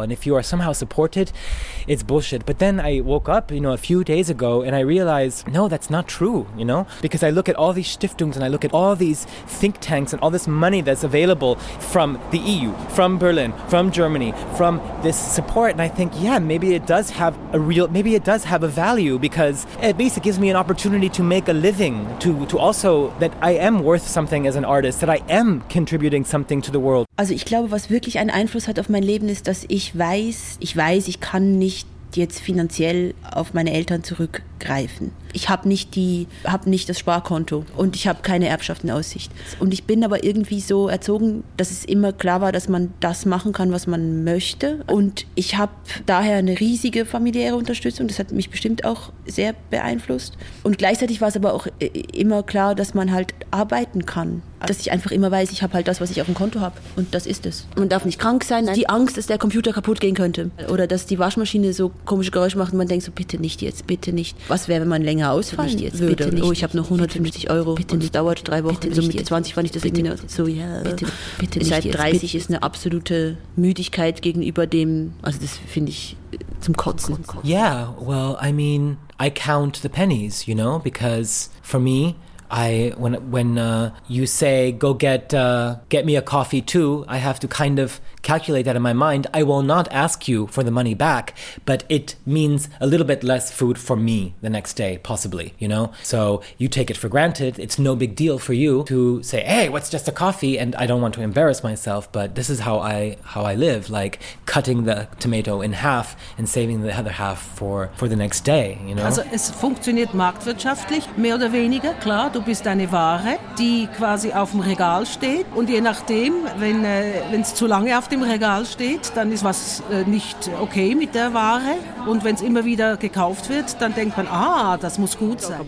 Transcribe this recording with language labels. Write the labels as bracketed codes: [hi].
[en] And if you are somehow supported, it's bullshit. But then I woke up, you know, a few days ago and I realized, no, that's not true, you know, because I look at all these Stiftungs and I look at all these think tanks and all this money that's available from the EU, from Berlin, from Germany, from this support, and I think, yeah, maybe it does have a value, because at least it gives me an opportunity to make a living, to also, that I am worth something as an artist, that I am contributing something to the world. [de] Also ich glaube, was wirklich einen Einfluss hat auf mein Leben ist, dass ich weiß, ich kann nicht jetzt finanziell auf meine Eltern zurückgreifen. Ich habe nicht das Sparkonto und ich habe keine Erbschaft in Aussicht. Und ich bin aber irgendwie so erzogen, dass es immer klar war, dass man das machen kann, was man möchte. Und ich habe daher eine riesige familiäre Unterstützung. Das hat mich bestimmt auch sehr beeinflusst. Und gleichzeitig war es aber auch immer klar, dass man halt arbeiten kann. Dass ich einfach immer weiß, ich habe halt das, was ich auf dem Konto habe. Und das ist es. Man darf nicht krank sein. Die Angst, dass der Computer kaputt gehen könnte. Oder dass die Waschmaschine so komische Geräusche macht und man denkt so, bitte nicht jetzt, bitte nicht. Was wäre, wenn man länger ausfallen nicht jetzt, würde. Bitte nicht, oh, ich habe noch 150 bitte Euro bitte und es dauert drei Wochen. So mit 20 fand ich das bitte irgendwie so, ja. Bitte nicht seit 30 jetzt. Ist eine absolute Müdigkeit gegenüber dem, also das finde ich zum Kotzen. [en] Yeah, well, I mean, I count the pennies, you know, because for me, you say, go get me a coffee too, I have to kind of calculate that in my mind. I will not ask you for the money back, but it means a little bit less food for me the next day, possibly, you know? So you take it for granted. It's no big deal for you to say, hey, what's just a coffee? And I don't want to embarrass myself, but this is how I live, like cutting the tomato in half and saving the other half for the next day, you know? [de] Also es funktioniert marktwirtschaftlich, mehr oder weniger, klar. Du bist eine Ware, die quasi auf dem Regal steht. Und je nachdem, wenn es zu lange auf dem Regal steht, dann ist was nicht okay mit der Ware. Und wenn es immer wieder gekauft wird, dann denkt man, ah, das muss gut sein.